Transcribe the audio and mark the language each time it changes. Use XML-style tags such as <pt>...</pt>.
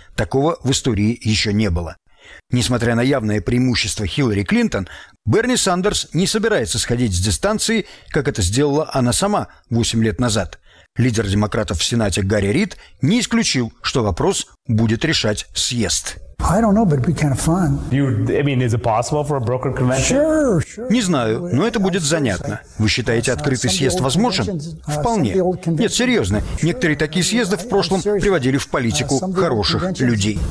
<ru>Такого в истории еще не было. Несмотря на явное преимущество Хиллари Клинтон, Берни Сандерс не собирается сходить с дистанции, как это сделала она сама 8 лет назад. Лидер демократов в Сенате Гарри Рид не исключил, что вопрос будет решать съезд.</ru> <en>I don't know, but it'd be kind of fun. Is it possible for a brokered convention? Sure.</en> <ru>Не знаю, но это будет занятно. Вы считаете открытый съезд возможен? Вполне. Нет, серьезно. Некоторые такие съезды в прошлом приводили в политику хороших людей.</ru>